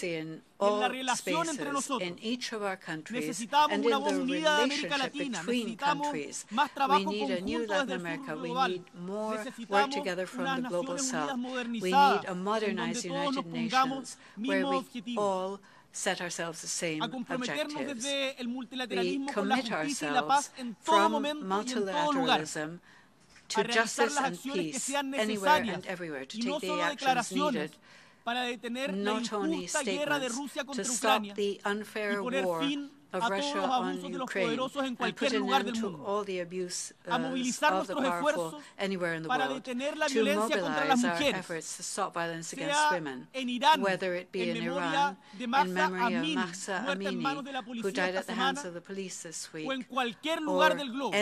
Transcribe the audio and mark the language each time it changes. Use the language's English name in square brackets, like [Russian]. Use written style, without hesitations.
[Spanish] En la relación entre nosotros, necesitamos una voz unida de América Latina, necesitamos más trabajo conjunto desde el sur global, necesitamos unas Naciones Unidas modernizadas, donde todos nos pongamos mismos objetivos. [English] Set ourselves the same objectives. We commit ourselves from multilateralism to justice and peace anywhere and everywhere to take the actions needed. [Spanish] Para detener la injusta guerra de Rusia contra Ucrania y poner fin a todos los abusos de los poderosos en cualquier lugar del mundo, a movilizar nuestros esfuerzos para detener la violencia contra las mujeres, sea en Irán, en memoria de Mahsa Amini, muerta en manos de la policía esta semana, o en cualquier lugar del globo.